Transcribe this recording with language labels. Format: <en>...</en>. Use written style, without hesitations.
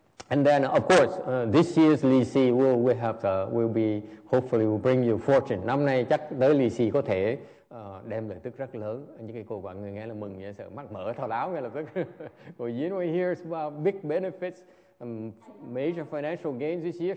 <en>And then, of course, this year's lì xì will bring you fortune.</en> <vi>Năm nay chắc tới lì xì có thể đem lợi tức rất lớn. Những cái cô quản người nghe là mừng, nghe sợ mắt mở thao láo ngay lập tức.</vi> <en>Well, you know, here's about big benefits, major financial gains this year.</en>